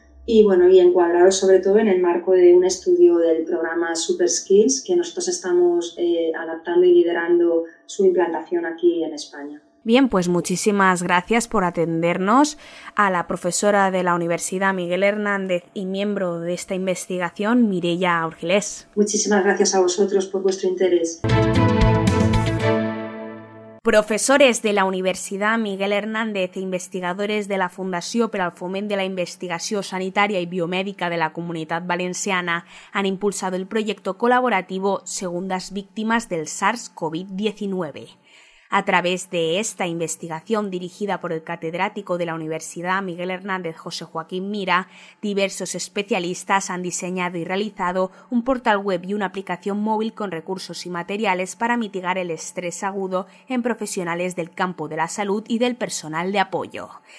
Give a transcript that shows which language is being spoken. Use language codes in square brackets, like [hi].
[es] Y bueno, y encuadrado sobre todo en el marco de un estudio del programa Super Skills que nosotros estamos adaptando y liderando su implantación aquí en España. Bien, pues muchísimas gracias por atendernos. A la profesora de la Universidad Miguel Hernández y miembro de esta investigación, Mireia Urgilés. Muchísimas gracias a vosotros por vuestro interés. [ca] Professores de la Universitat Miguel Hernández i investigadores de la Fundació per al Foment de la Investigació Sanitària i Biomèdica de la Comunitat Valenciana han impulsat el projecte col·laboratiu Segundes Víctimes del SARS-CoV-19. [es] A través de esta investigación dirigida por el catedrático de la Universidad Miguel Hernández José Joaquín Mira, diversos especialistas han diseñado y realizado un portal web y una aplicación móvil con recursos y materiales para mitigar el estrés agudo en profesionales del campo de la salud y del personal de apoyo.